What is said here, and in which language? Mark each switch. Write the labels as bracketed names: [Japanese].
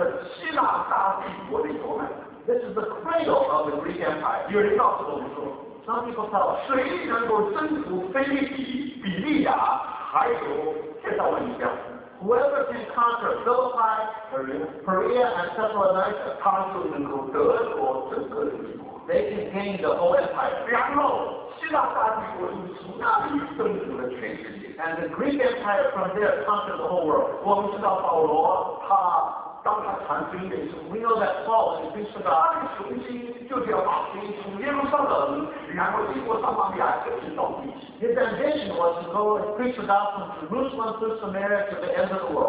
[Chinese] 所以我们知道，我们晓得，所以我们晓得说，这个可以说是罗德希腊大帝国的一部分。 [English] This is the cradle of the Greek Empire. [Chinese] 有人告诉我们说， [English] some people tell us, [Chinese] 谁能够征服腓立比、比利亚，还有帖撒罗尼迦？ [English] Whoever can conquer Philippi, Perea, and Thessalonica, [Chinese] 他就能够得到整个帝国。 [English] They contain the whole empire. [Chinese] 然后希腊大帝国从那里征服了全世界。 [English] And the Greek Empire from there conquered the whole world. [Chinese] 我们知道保罗，他当他传福音的时候， [English] We know that Paul is preaching the gospel. [Chinese] 他的雄心就是要把福音从耶路撒冷，然后经过撒玛利亚，直到地极。 [English] His ambition was to go and preach the gospel from Jerusalem through Samaria to the end of the world.